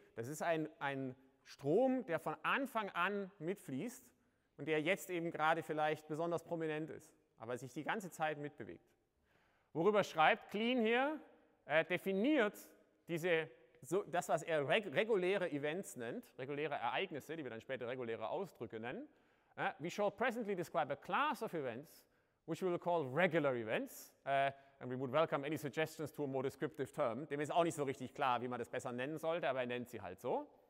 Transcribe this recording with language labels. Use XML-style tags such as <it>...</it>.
<de>Das ist ein Strom, der von Anfang an mitfließt und der jetzt eben gerade vielleicht besonders prominent ist, aber sich die ganze Zeit mitbewegt. Worüber schreibt Kleene hier? Er definiert das, was er reguläre Events nennt, reguläre Ereignisse, die wir dann später reguläre Ausdrücke nennen.</de> <en>We shall presently describe a class of events, which we will call regular events, and we would welcome any suggestions to a more descriptive term.</en> <de>Dem ist auch nicht so richtig klar, wie man das besser nennen sollte, aber er nennt sie halt so.</de>